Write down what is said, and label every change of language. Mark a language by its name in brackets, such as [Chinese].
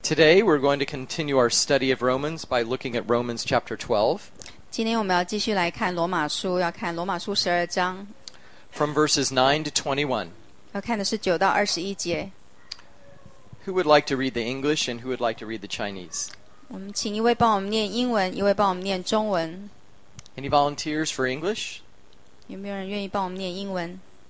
[English] Today we're going to continue our study of Romans by looking at Romans chapter 12. [Chinese] 今天我们要继续来看罗马书，要看罗马书十二章。 [English] From verses 9 to 21. [Chinese] 要看的是九到二十一节。 [English] Who would like to read the English and who would like to read the Chinese? [Chinese] 我们请一位帮我们念英文，一位帮我们念中文。 [English] Any volunteers for English? [Chinese] 有没有人愿意帮我们念英文？